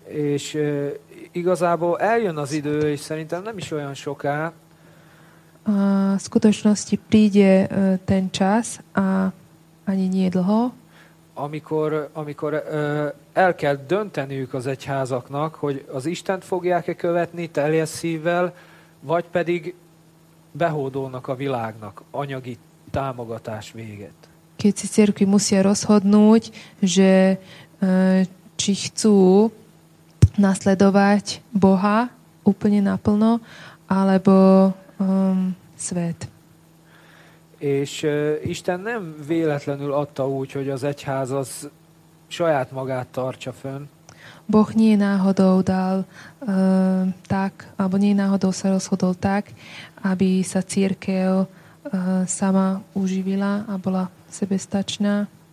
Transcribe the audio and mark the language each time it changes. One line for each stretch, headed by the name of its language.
Hungarian: És igazából eljön az idő, és szerintem nem is olyan soká.
Slovak: V skutočnosti príde ten čas a ani nie dlho,
Hungarian: amikor el kell dönteniük az egyházaknak, hogy az Istent fogják-e követni teljes szívvel, vagy pedig behódolnak a világnak anyagi támogatás véget.
Slovak: Keď si cirkvi musia rozhodnúť, že či chcú nasledovať Boha úplne naplno, alebo svet.
Hungarian: És Isten nem véletlenül adta úgy, hogy az egyház az saját magát tartsa fönn.
Slovak: Boh nie náhodou dal tak, alebo nie náhodou sa rozhodol tak, aby sa cirkev sama uživila a bola sebestačná.